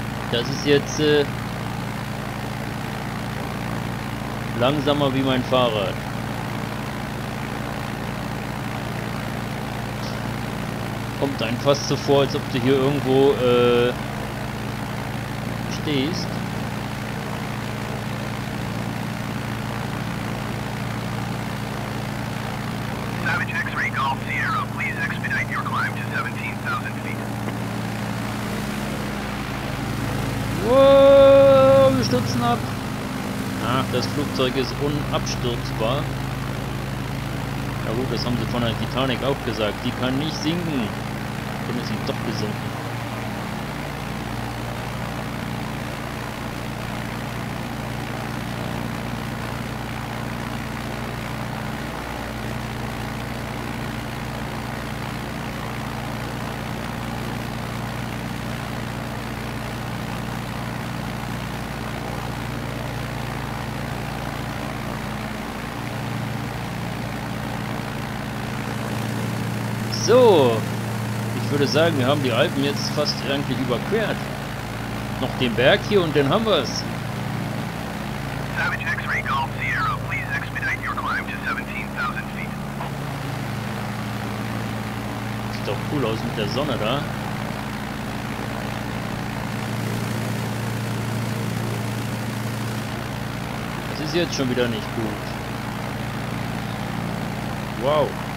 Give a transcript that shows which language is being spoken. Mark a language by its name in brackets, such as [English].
[German] Das ist jetzt langsamer wie mein Fahrrad. Kommt einem fast so vor, als ob du hier irgendwo stehst. [English] Savage X-Ray Golf Sierra, please expedite your climb to 17,000 feet. [German] Wow, wir stürzen ab. Ach, das Flugzeug ist unabstürzbar. Na gut, das haben sie von der Titanic auch gesagt. Die kann nicht sinken. Dann ist sie doch gesunken. So, ich würde sagen, wir haben die Alpen jetzt fast eigentlich überquert. Noch den Berg hier und dann haben wir es. [English] Savage X-Ray Golf Sierra, please expedite your climb to 17,000 feet. [German] Sieht doch cool aus mit der Sonne da. ist jetzt schon wieder nicht gut. Wow.